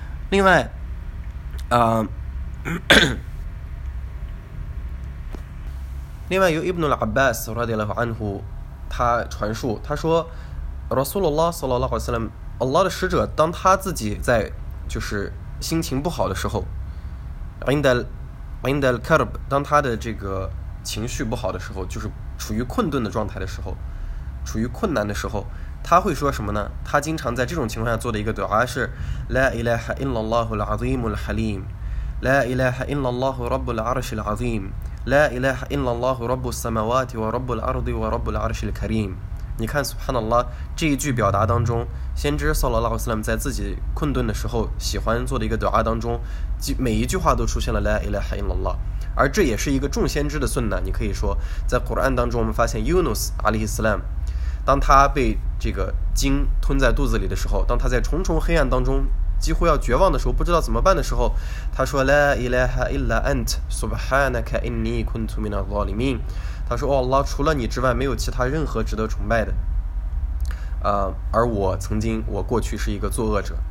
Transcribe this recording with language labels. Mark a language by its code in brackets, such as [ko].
[zh] 另外由 Ibn al-Abbas radiallahu anhu 他传述，他说 Rasulullah sallallahu alayhi wa salam，Allah 的使者当他自己在就是心情不好的时候 [ar] عند الكرب， [zh] 当他的这个情绪不好的时候，就是处于困顿的状态的时候，处于困难的时候，他会说什么呢？他经常在这种情况下做的一个du'a是 [ar] لا إله إلا الله العظيم الحليم لا إله إلا الله رب العرش العظيم لا إله إلا الله رب السماوات ورب الأرض ورب العرش الكريم。 [zh] 你看 Subhanallah， 这一句表达当中，先知 Sallallahu Alaihi Wasallam 在自己困顿的时候喜欢做的一个 du'a 当中，每一句话都出现了 La ilaha illallah， 而这也是一个众先知的sunna。你可以说在 Quran 当中我们发现 Yunus Alaihi Wasallam 当他被这个鲸吞在肚子里的时候，当他在重重黑暗当中几乎要绝望的时候，不知道怎么办的时候，他说 [ar] La ilaha illa ant subhanaka inni kuntu min al-zalimin， [zh] 他说，哦 Allah， 除了你之外没有其他任何值得崇拜的，而我过去是一个作恶者。